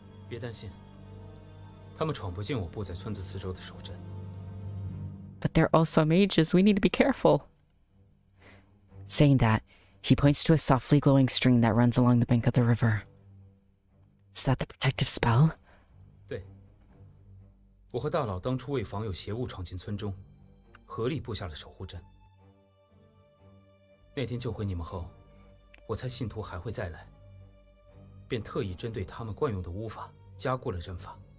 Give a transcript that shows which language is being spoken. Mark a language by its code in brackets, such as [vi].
[zh] 别担心，他们闯不进我布在村子四周的守阵。 [en] But they're also mages, we need to be careful. Saying that, he points to a softly glowing string that runs along the bank of the river. Is that the protective spell? [zh] 对。我和大佬当初为防有邪物闯进村中，合力布下了守护阵。那天救回你们后，我猜信徒还会再来，便特意针对他们惯用的巫法加固了阵法。